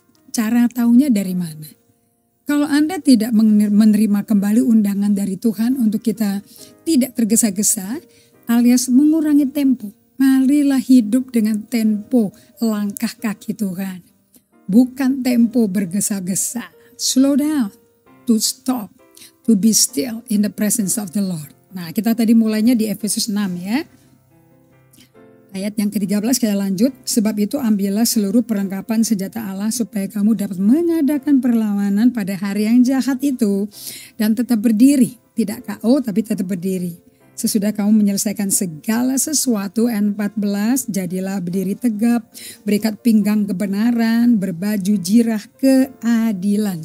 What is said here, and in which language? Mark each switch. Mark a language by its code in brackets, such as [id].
[id] Cara taunya dari mana? Kalau Anda tidak menerima kembali undangan dari Tuhan untuk kita tidak tergesa-gesa alias mengurangi tempo, marilah hidup dengan tempo langkah kaki Tuhan. Bukan tempo bergesa-gesa. [en] Slow down, to stop, to be still in the presence of the Lord. [id] Nah, kita tadi mulainya di Efesus 6 ya. Ayat yang ke-13 kita lanjut. Sebab itu ambillah seluruh perlengkapan senjata Allah supaya kamu dapat mengadakan perlawanan pada hari yang jahat itu. Dan tetap berdiri, tidak KO tapi tetap berdiri. Sesudah kamu menyelesaikan segala sesuatu, N14, jadilah berdiri tegap, berikat pinggang kebenaran, berbaju jirah keadilan.